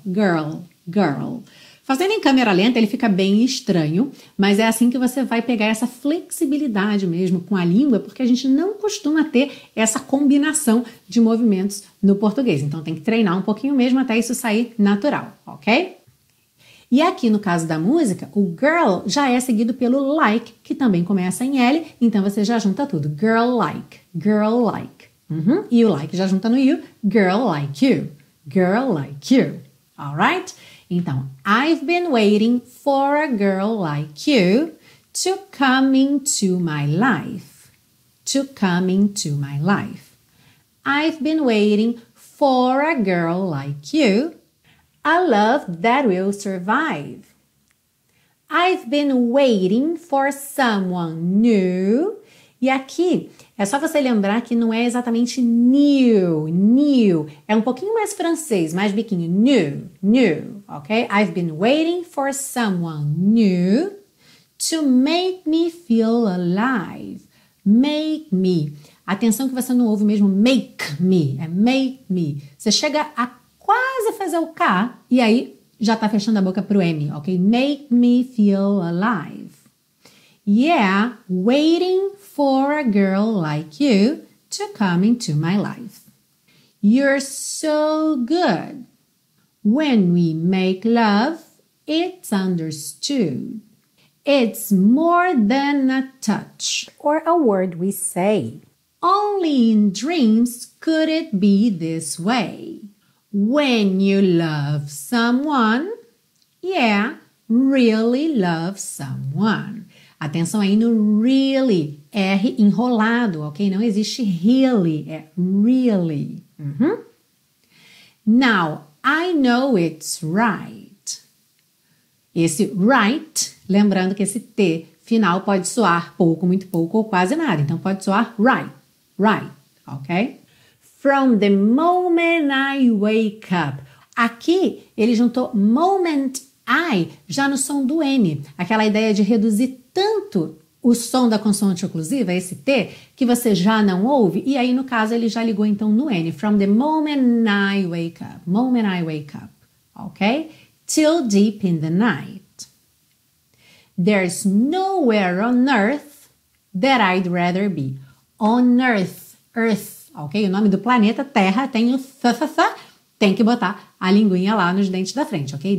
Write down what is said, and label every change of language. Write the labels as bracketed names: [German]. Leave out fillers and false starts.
[Portuguese] Girl, girl. Fazendo em câmera lenta, ele fica bem estranho, mas é assim que você vai pegar essa flexibilidade mesmo com a língua, porque a gente não costuma ter essa combinação de movimentos no português. Então, tem que treinar um pouquinho mesmo até isso sair natural, ok? E aqui, no caso da música, o girl já é seguido pelo like, que também começa em L, então você já junta tudo. [English] Girl like, girl like. Uhum. [Portuguese] E o [English] like [Portuguese] já junta no [English] you. Girl like you, girl like you. Alright? Então, I've been waiting for a girl like you to come into my life. To come into my life. I've been waiting for a girl like you. A love that will survive. I've been waiting for someone new. [Portuguese] E aqui, é só você lembrar que não é exatamente new, new. É um pouquinho mais francês, mais biquinho. [English] New, new, ok? I've been waiting for someone new to make me feel alive. Make me. [Portuguese] Atenção que você não ouve mesmo make me. É make me. Você chega a quase fazer o K e aí já tá fechando a boca pro M, ok? [English] Make me feel alive. Yeah, waiting for a girl like you to come into my life. You're so good. When we make love, it's understood. It's more than a touch or a word we say. Only in dreams could it be this way. When you love someone, yeah, really love someone. [Portuguese] Atenção aí no really, R enrolado, ok? Não existe really, é really. Uhum. [English] Now, I know it's right. [Portuguese] Esse right, lembrando que esse T final pode soar pouco, muito pouco ou quase nada. Então, pode soar right, right, ok? [English] From the moment I wake up. [Portuguese] Aqui, ele juntou moment I já no som do N. Aquela ideia de reduzir tanto o som da consoante oclusiva, esse T, que você já não ouve. E aí, no caso, ele já ligou então no N. [English] From the moment I wake up. Moment I wake up. Ok? Till deep in the night. There's nowhere on earth that I'd rather be. On earth. Earth. Ok? [Portuguese] O nome do planeta Terra tem o fa. Tem que botar a linguinha lá nos dentes da frente, ok?